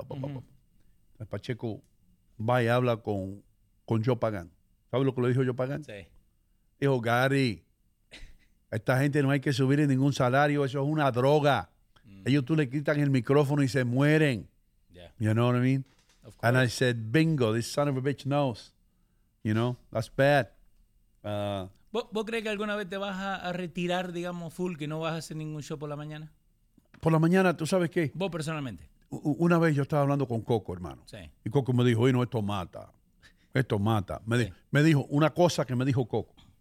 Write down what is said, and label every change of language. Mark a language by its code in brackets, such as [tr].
[es] Uh-huh. Pacheco va y habla con Joe Pagán. ¿Sabes lo que le dijo Joe Pagán? Sí. Dijo, Gary, a esta gente no hay que subir en ningún salario, eso es una droga. Uh-huh. Ellos tú le quitan el micrófono y se mueren. [en] Yeah. You know what I mean? Of course. And I said, bingo, this son of a bitch knows. You know, that's bad. [es] ¿Vos crees que alguna vez te vas a retirar, digamos, full, que no vas a hacer ningún show por la mañana? ¿Por la mañana? ¿Tú sabes qué? ¿Vos personalmente? Una vez yo estaba hablando con Coco, hermano. Sí. Y Coco me dijo, oye, no, esto mata. Esto mata. Me dijo una cosa que me dijo Coco.